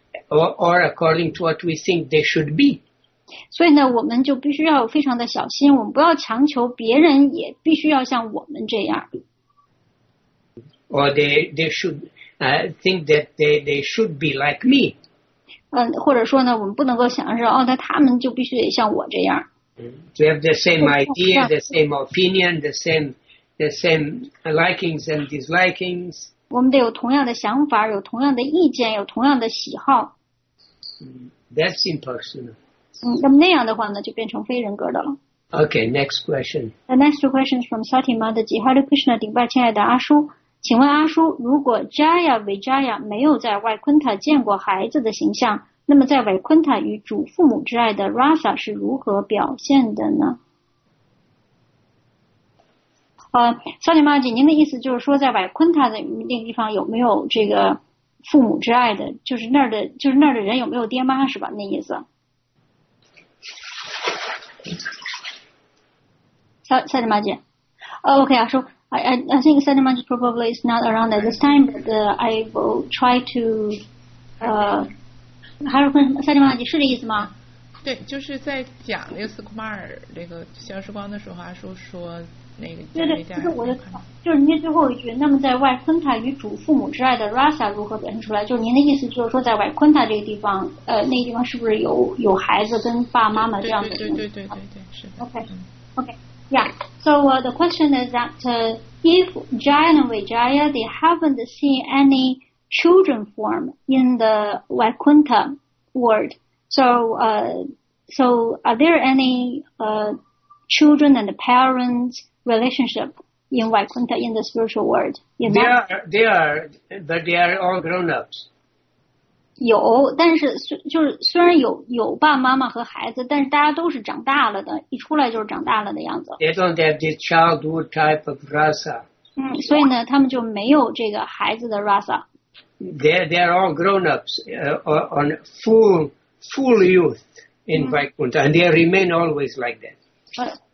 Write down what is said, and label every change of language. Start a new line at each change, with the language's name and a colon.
English: Or according to what we think they should be.
Chinese: 所以呢，我们就必须要非常的小心，我们不要强求别人也必须要像我们这样。
English: Or they should think that they should be like me.
Chinese: 或者说呢，我们不能够想着那他们就必须得像我这样。
English: To have the same idea, the same opinion, the same likings and dislikings.
Chinese: 我们得有同样的想法，有同样的意见，有同样的喜好。
English: That's impersonal.
Chinese: 那么那样的话呢，就变成非人格的了。
English: Okay, next question. The next question is from Sati Madhaji. Hare Krishna,
Chinese: 顶拜亲爱的阿叔。请问阿叔，如果 Jaya Vijaya 没有在 Vaikuntha 见过孩子的形象，那么在 Vaikuntha 与主父母之爱的 Rasa 是如何表现的呢？ Sati Madhaji， 您的意思就是说在 Vaikuntha 的那个地方有没有这个父母之爱的，就是那儿的人有没有爹妈，是吧？那意思。 Sati Madhaji， OK， 阿叔。 I think Sati Madhaji probably is not around at this time, but I will try to. 还是问 Sati Madhaji 是这意思吗？对，就是在讲那个斯库马尔那个消失光的时候，阿叔说那个。就是您最后一句，那么在外昆塔与主父母之爱的 Rasa 如何表现出来？就是您的意思，就是说在外昆塔这个地方，那个地方是不是有孩子跟爸妈妈这样的？对，是的。 OK。
English: Yeah, so the question is that if Jaya and Vijaya, they haven't seen any children form in the Vaikuntha world, so are there any children and the parents relationship in Vaikuntha in the spiritual world? They are, but they are all grown-ups.
Chinese: 有，但是就是虽然有爸爸妈妈和孩子，但是大家都是长大了的，一出来就是长大了的样子。
English: They don't have the childhood type of rasa.
Chinese: 嗯，所以呢，他们就没有这个孩子的 rasa.
English: They're all grown-ups, on full youth in Vaikuntha, and they remain always like that.